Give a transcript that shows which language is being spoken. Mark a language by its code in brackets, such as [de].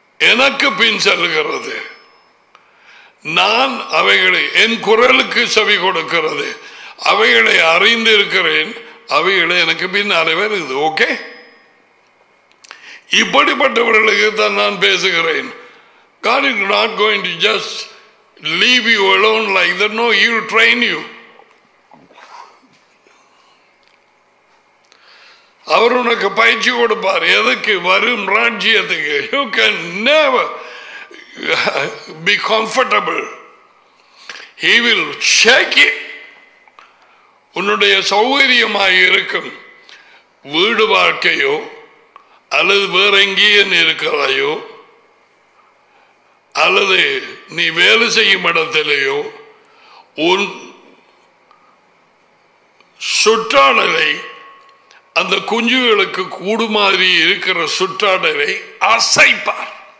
[ta] எனக்கு பின் செல்கிறது, நான் அவைகளை என் குரலுக்கு செவி கொடுக்கிறது, அவைகளை அறிந்திருக்கிறேன், அவைகளை எனக்கு பின்னாலே வருது. ஓகே, இப்படிப்பட்டவர்களுக்கு தான் நான் பேசுகிறேன். [en] God is not going to just leave you alone like that. No, he will train you. [ta] அவர் உனக்கு பயிற்சி கொடுப்பார். எதுக்கு? வரும் ராஜ்யத்துக்கு. [en] You can never be comfortable. He will shake it. [ta] உன்னுடைய சௌகரியமாய் இருக்கும் வீடு வாழ்க்கையோ அல்லது வேற எங்கேயே நீ இருக்கிறாயோ அல்லது நீ வேலை செய்யும் இடத்திலேயோ உன் சுற்றாடலை, அந்த குஞ்சுகளுக்கு கூடு மாதிரி இருக்கிற சுற்றாடலை அசைப்பார்.